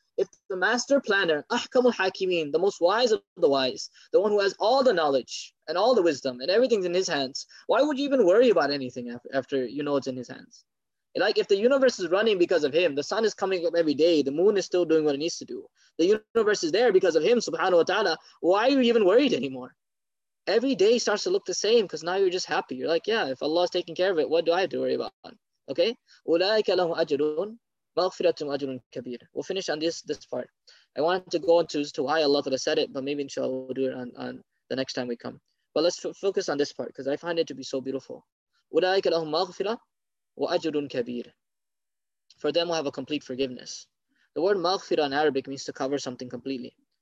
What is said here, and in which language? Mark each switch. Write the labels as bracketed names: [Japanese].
[English] If the master planner, Ahkamul Hakimin, the most wise of the wise, the one who has all the knowledge and all the wisdom and everything's in his hands, why would you even worry about anything after you know it's in his hands? Like, if the universe is running because of him, the sun is coming up every day, the moon is still doing what it needs to do, the universe is there because of him, subhanahu wa ta'ala, why are you even worried anymore? Every day starts to look the same because now you're just happy. You're like, yeah, if Allah is taking care of it, what do I have to worry about? Okay? [Arabic] أُولَٰئِكَ لَهُمْ أَجْرٌ مَغْفِرَةٌ أَجْرٌ كَبِيرٌ. [English] We'll finish on this part. I wanted to go into to why Allah could have said it, but maybe inshallah we'll do it on the next time we come. But let's focus on this part because I find it to be so beautiful. [Arabic] أُولَٰئِكَ لَهُمْ مَغْفِرَةٌ وَأَجْرٌ كَبِيرٌ. [English] For them, we'll have a complete forgiveness. The word maghfira in Arabic means to cover something completely.